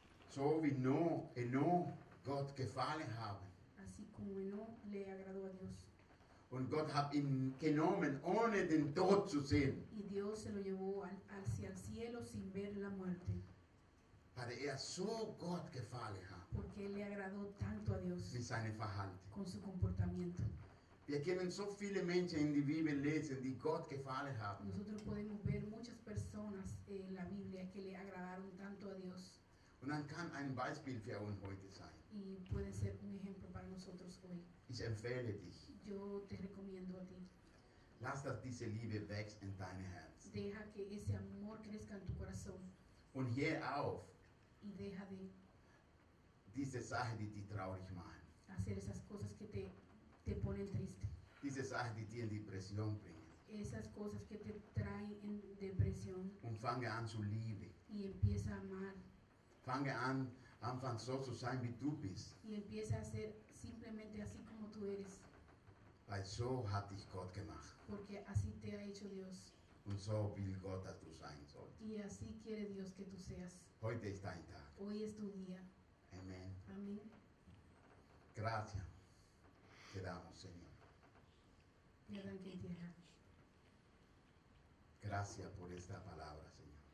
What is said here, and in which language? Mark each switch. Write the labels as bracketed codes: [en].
[de] So wie Enoch Gott gefallen haben. [es] Así como Enoch le agradó a Dios. [de] Und Gott hat ihn genommen, ohne den Tod zu sehen. [es] Y Dios se lo llevó hacia el cielo sin ver la muerte. [de] Weil er so Gott gefallen hat. [es] Porque le agradó tanto a Dios. [de] Mit seinem Verhalten. [es] Con su comportamiento. [de] Wir können so viele Menschen in die Bibel lesen, die Gott gefallen haben. [es] Nosotros podemos ver muchas personas en la Biblia que le agradaron tanto a Dios. [de] Und dann kann ein Beispiel für uns heute sein. [es] Y puede ser un ejemplo para nosotros hoy. [de] Ich empfehle dich. [es] Yo te recomiendo a ti. [de] Lass, dass diese Liebe wächst in deinem Herz. [es] Deja que ese amor crezca en tu corazón. [de] Und hör auf. [es] Y deja de [de] diese Sache, die dich traurig machen. [es] Hacer esas cosas que te ponen triste. [de] Diese Sache, die dir in Depression bringen. [es] Esas cosas que te traen en depresión. [de] Und fange an zu lieben. [es] Y empieza a amar. [de] Fange an, anfang so zu sein, wie du bist. [es] Y empieza a ser simplemente así como tú eres. [de] Weil so hat dich Gott gemacht. [es] Porque así te ha hecho Dios. [de] Und so will Gott, dass du sein sollst. [es] Y así quiere Dios que tú seas. [de] Heute ist dein Tag. [es] Hoy es tu día. Amen. Amen. Gracias. Te damos, Señor. [de] Yo danke dir. [es] Gracias por esta palabra, Señor.